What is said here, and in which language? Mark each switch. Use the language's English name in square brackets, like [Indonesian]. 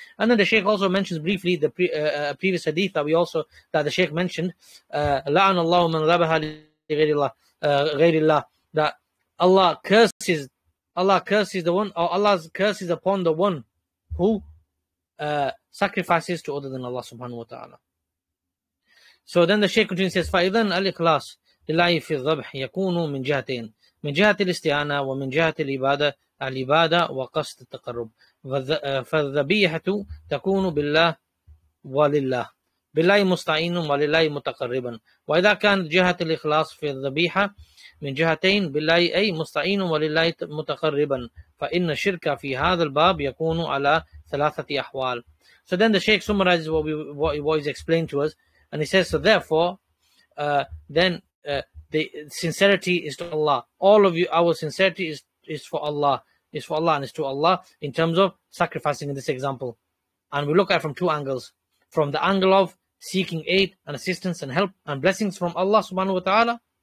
[English] And then the Shaykh also mentions briefly the previous hadith that the Shaykh mentioned. [Arabic] La'ana Allahu man dhabaha li ghayrillah. [English] That Allah curses the one, or Allah's curse is upon the one who sacrifices to other than Allah subhanahu wa ta'ala. So then the Shaykh continues, says, [Arabic] فَإِذَنْ الْإِخْلَاصِ لِلَّهِ فِي الظَّبْحِ يَكُونُ مِنْ جَهَتَيْنِ مِنْ جَهَةِ الْإِسْتِعَانَةِ وَمِنْ جَهَةِ الْإِبَادَةِ الْإِبَادَةِ وَقَصْدِ التَّقَرُّبِ فَالذَّبِيحَةُ تَكُونُ بِاللَّهِ وَلِلَّهِ بِاللَّهِ مُسْتَعِينٌ وَلِلَّهِ مُتَقَرِّبًا وَإِذَا كَانَ جَهَةُ الْإِخْلَاصِ فِي الذَّبِيحَةِ مِنْ جَهَتَيْن بِاللَّهِ أَيْ مُسْتَعِينٌ وَلِلَّهِ مُتَقَرِّبًا فَإِنَّ الشِّرْكَ فِي هَذَا الْبَابِ يَكُونُ عَلَى ثَلَاثَةِ أَحْوَالٍ. [English] So then the Shaykh summarizes what he's explained to us, and he says, so therefore, the sincerity is to Allah. All of you, our sincerity is for Allah, is for Allah, and is to Allah in terms of sacrificing in this example. And we look at it from two angles. From the angle of seeking aid and assistance and help and blessings from Allah subhanahu wa ta'ala.